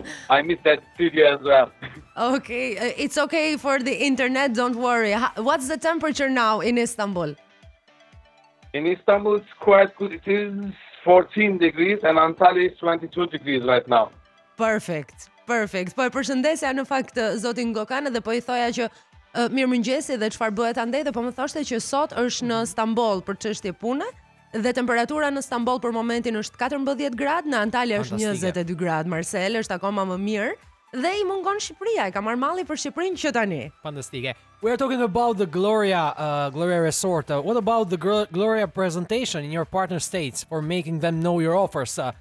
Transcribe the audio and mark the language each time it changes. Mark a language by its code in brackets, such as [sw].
[en] I miss that studio as well. Okay, it's okay for the internet, don't worry. What's the temperature now in Istanbul? In Istanbul, it's quite good. It is 14 degrees and Antalya is 22 degrees right now. Perfect, perfect. [sq] Po e përshëndesja në fakt, zotin Gökhan, dhe po I thoja që Mirëmëngjesi dhe çfarë bëhet andaj dhe po më thoshte që sot është në Stamboll për çështje pune dhe temperatura në Stamboll për momentin është 14 gradë, në Antalya është 22 gradë, Marsel është akoma më mirë dhe I mungon Shqipëria, e ka marrë malli për Shqipërinë që tani. Fantastike. [en] We are talking about the Gloria Gloria Resort. What about the Gloria presentation in your partner states for making them know your offers?